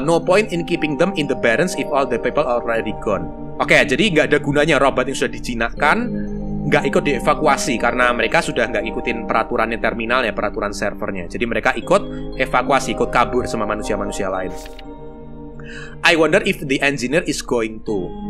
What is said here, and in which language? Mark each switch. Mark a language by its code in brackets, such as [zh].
[en] No point in keeping them in the barrens if all the people already gone. [id] Oke, jadi nggak ada gunanya robot yang sudah dijinakkan nggak ikut dievakuasi karena mereka sudah nggak ikutin peraturannya terminalnya, peraturan servernya. Jadi mereka ikut evakuasi, ikut kabur sama manusia-manusia lain. [en] I wonder if the engineer is going to.